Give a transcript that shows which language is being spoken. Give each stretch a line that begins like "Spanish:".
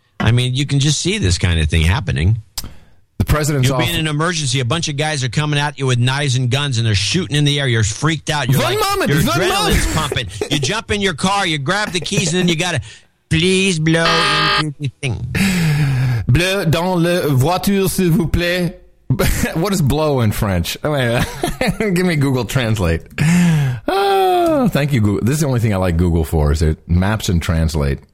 English: I mean, you can just see this kind of thing happening. The president's off. You'll be in an emergency. A bunch of guys are coming at you with knives and guns and they're shooting in the air. You're freaked out. Your adrenaline's pumping. You jump in your car, you grab the keys, and then you got to, please blow into the thing.
French: Bleu dans la voiture, s'il vous plaît.
English: What is blow in French? Oh, yeah. Give me Google Translate. Oh, thank you, Google. This is the only thing I like Google for, is it maps and translate.